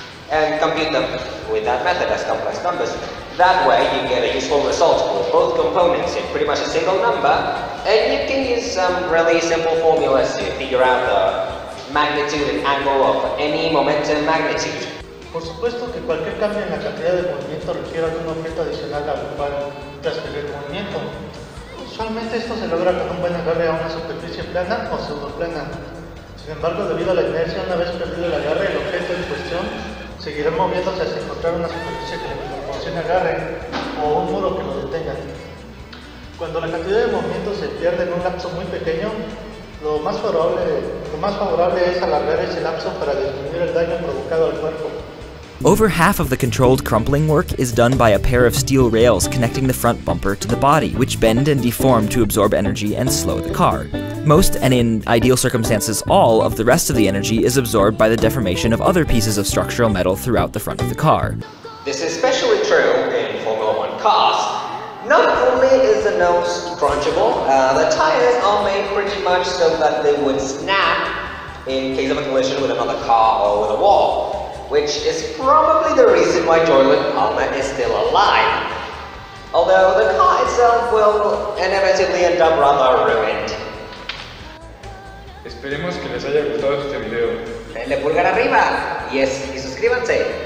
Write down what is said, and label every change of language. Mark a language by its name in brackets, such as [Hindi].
[English] And compute them with that method as complex numbers. That way, you get a useful result for both components in pretty much a single number. And you can use some really simple formulas to figure out the magnitude and angle of any momentum magnitude. [Spanish] Por supuesto que cualquier cambio en la cantidad de movimiento requiere algún objeto adicional a ocupar tras el movimiento. Usualmente esto se logra con un buen agarre a una superficie plana o pseudoplana. Sin embargo, debido a la inercia, una vez perdido el agarre, el objeto en cuestión seguirá moviéndose hasta encontrar una superficie que le proporcione agarre o un muro que lo detenga. Cuando la cantidad de movimiento se pierde en un lapso muy pequeño, lo más favorable es alargar ese lapso para disminuir el daño provocado al cuerpo. [English] Over half of the controlled crumpling work is done by a pair of steel rails connecting the front bumper to the body, which bend and deform to absorb energy and slow the car. Most, and in ideal circumstances all, of the rest of the energy is absorbed by the deformation of other pieces of structural metal throughout the front of the car. This is especially true in Formula One cars. Not only is the nose crunchable, the tires are made pretty much so that they would snap in case of a collision with another car or with a wall. Which is probably the reason why Julian Palmer is still alive. Although the car itself will inevitably end up rather ruined. [Spanish] Esperemos que les haya gustado este video. Denle pulgar arriba y suscríbanse.